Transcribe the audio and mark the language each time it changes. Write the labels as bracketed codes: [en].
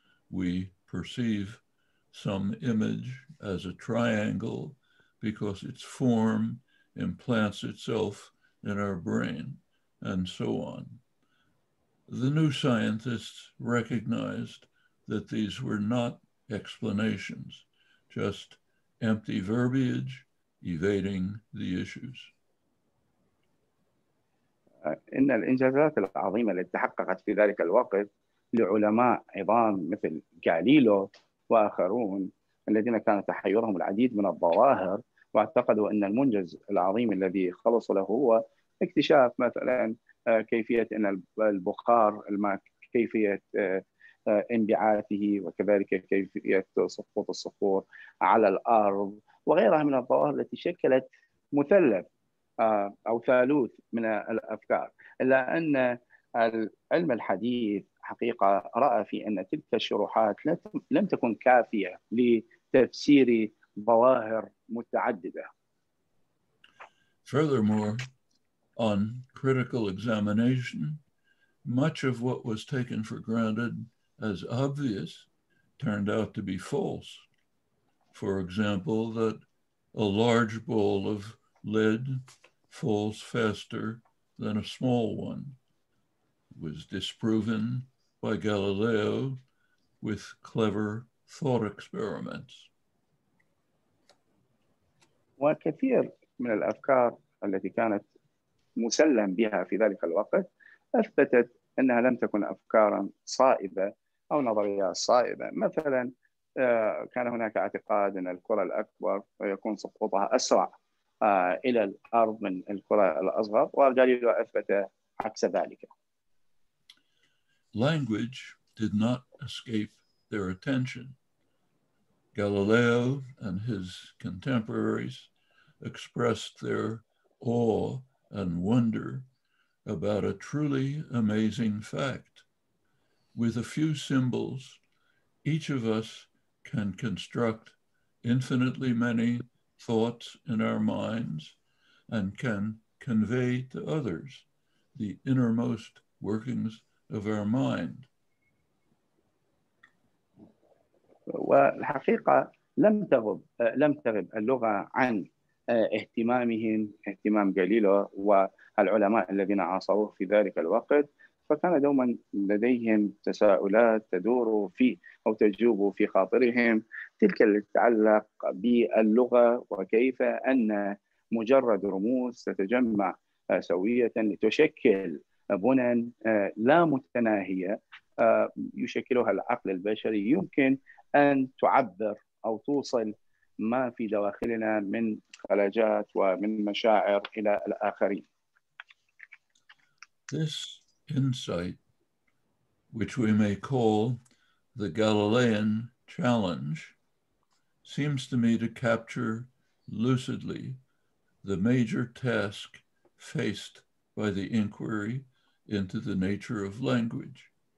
[en] We perceive some image as a triangle because its form implants itself in our brain. And so on. The new scientists recognized that these were not explanations, just empty verbiage evading the issues. [ar] إن الإنجازات العظيمة التي تحققت في ذلك الوقت لعلماء عظام مثل غاليليو وآخرون الذين كانت تحيرهم العديد من الظواهر واعتقدوا أن المنجز العظيم الذي خلص له هو اكتشاف مثلاً كيفية أن البخار الماء كيفية انبعاثه وكذلك كيفية سقوط الصخور على الأرض وغيرها من الظواهر التي شكلت مثلث أو ثالوث من الأفكار، إلا أن العلم الحديث حقيقة رأى في أن تلك الشروحات لم تكن كافية لتفسير ظواهر متعددة. [en] Furthermore, on critical examination, much of what was taken for granted as obvious turned out to be false. For example, that a large ball of lead falls faster than a small one was disproven by Galileo with clever thought experiments. [ar] وكثير من الأفكار التي كانت مسلم بها في ذلك الوقت أثبتت أنها لم تكن أفكارا صائبة أو نظريات صائبة، مثلا كان هناك اعتقاد أن الكرة الأكبر يكون سقوطها أسرع إلى الأرض من الكرة الأصغر، وغاليليو أثبت عكس ذلك. [en] Language did not escape their attention. Galileo and his contemporaries expressed their awe and wonder about a truly amazing fact. With a few symbols, each of us can construct infinitely many thoughts in our minds and can convey to others the innermost workings of our mind. [ar] والحقيقة لم تغب لم تغب اللغة عن اهتمامهم اهتمام جاليليو والعلماء الذين عاصروه في ذلك الوقت فكان دوما لديهم تساؤلات تدور في أو تجوب في خاطرهم تلك التي تتعلق باللغة وكيف أن مجرد رموز تتجمع سوية لتشكل بنى لا متناهية يشكلها العقل البشري يمكن أن تعبر أو توصل ما في دواخلنا من خلاجات ومن مشاعر إلى الآخرين. [en] This insight, which we may call the Galilean challenge, seems to me to capture lucidly the major task faced by the inquiry into the nature of language.